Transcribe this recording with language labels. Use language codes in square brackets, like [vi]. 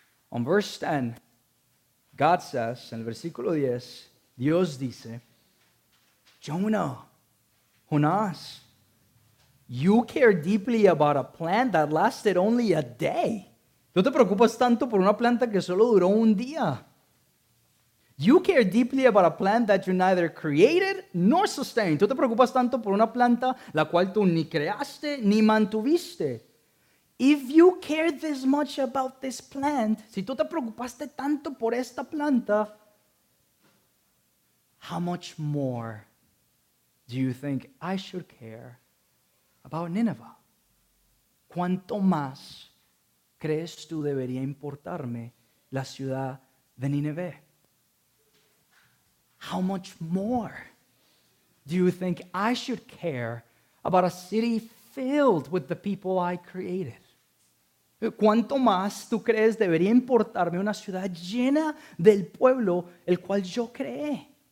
[en] On verse 10, God says, [es] en el versículo 10, Dios dice, [en] Jonah, Jonás, you care deeply about a plant that lasted only a day. [es] ¿Tú te preocupas tanto por una planta que solo duró un día? [en] You care deeply about a plant that you neither created nor sustained. [es] ¿Tú te preocupas tanto por una planta la cual tú ni creaste ni mantuviste? [en] If you care this much about this plant, [es] si tú te preocupaste tanto por esta planta, [en] how much more do you think I should care about Nineveh? [es] ¿Cuánto más crees tú debería importarme la ciudad de Nineveh? [en] How much more do you think I should care about a city filled with the people I created? [es] ¿Cuánto más tú crees debería importarme una ciudad llena del pueblo el cual yo creé?